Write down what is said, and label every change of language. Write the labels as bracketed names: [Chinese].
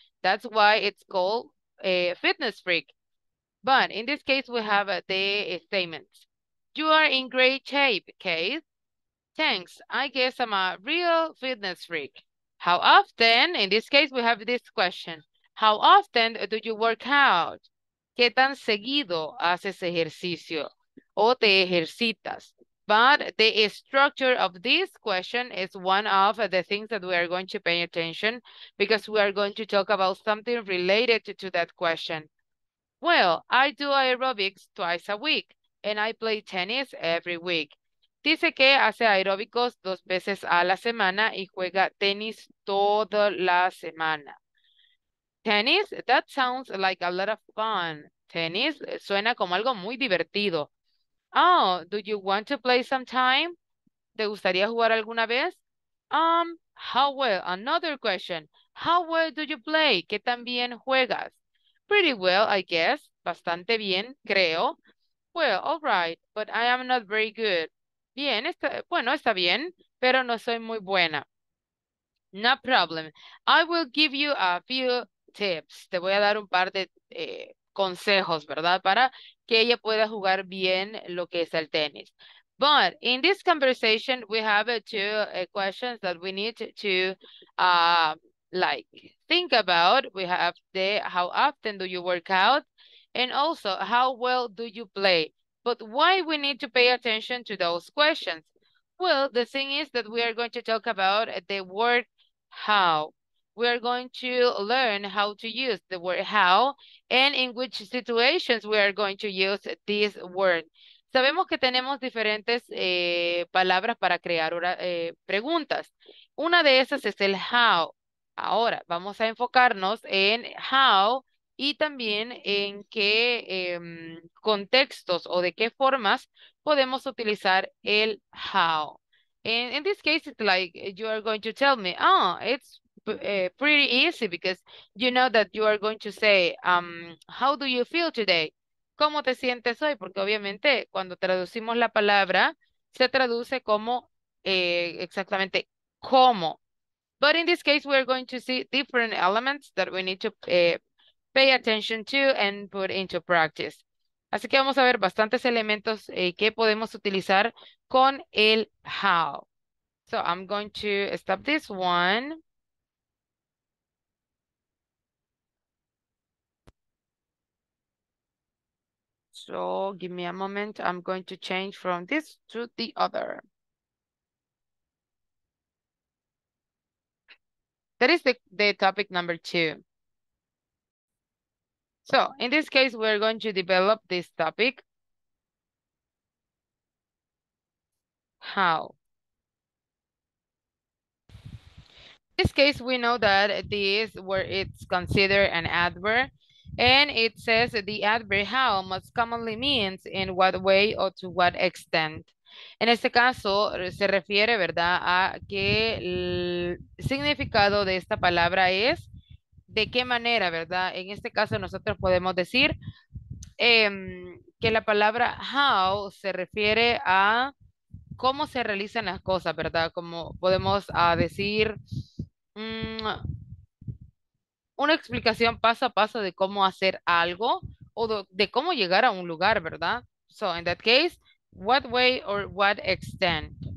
[English] That's why it's called a fitness freak. But in this case, we have the statements. You are in great shape, Keith. Thanks. I guess I'm a real fitness freak. How often, in this case, we have this question. How often do you work out? [Spanish] ¿Qué tan seguido haces ejercicio o te ejercitas? [English] But the structure of this question is one of the things that we are going to pay attention, because we are going to talk about something related to that question. Well, I do aerobics twice a week and I play tennis every week. [Spanish] Dice que hace aeróbicos dos veces a la semana y juega tenis toda la semana. [English] Tennis, that sounds like a lot of fun. [Spanish] Tennis suena como algo muy divertido. [English] Oh, do you want to play sometime? [Spanish] ¿Te gustaría jugar alguna vez? [English] How well? Another question. How well do you play? [Spanish] ¿Qué tan bien juegas? [English] Pretty well, I guess. [Spanish] Bastante bien, creo. [English] Well, all right, but I am not very good. [Spanish] Bien, está bien, pero no soy muy buena. [English] No problem. I will give you a few tips. [Spanish] Te voy a dar un par de consejos, ¿verdad? Para que ella pueda jugar bien lo que es el tenis. [English] But in this conversation, we have two questions that we need to think about. We have the how often do you work out? And also, how well do you play? But why we need to pay attention to those questions? Well, the thing is that we are going to talk about the word how. We are going to learn how to use the word how and in which situations we are going to use this word. [Spanish] Sabemos que tenemos diferentes palabras para crear preguntas. Una de esas es el how. Ahora vamos a enfocarnos en how y también en qué contextos o de qué formas podemos utilizar el how. [English] In this case, it's like you are going to tell me, oh, it's pretty easy because you know that you are going to say, how do you feel today? [Spanish] ¿Cómo te sientes hoy? Porque obviamente cuando traducimos la palabra, se traduce como exactamente cómo. [English] But in this case, we're going to see different elements that we need to pay attention to and put into practice. [Spanish] Así que vamos a ver bastantes elementos que podemos utilizar con el how. [English] So I'm going to stop this one. So give me a moment. I'm going to change from this to the other. That is the topic number two. So in this case, we're going to develop this topic. How? In this case, we know that this where it's considered an adverb. And it says the adverb how most commonly means in what way or to what extent. [Spanish] En este caso, se refiere, ¿verdad?, a que el significado de esta palabra es de qué manera, ¿verdad? En este caso, nosotros podemos decir que la palabra how se refiere a cómo se realizan las cosas, ¿verdad? Como podemos decir una explicación paso a paso de cómo hacer algo o de cómo llegar a un lugar, ¿verdad? [English] So, in that case, what way or what extent?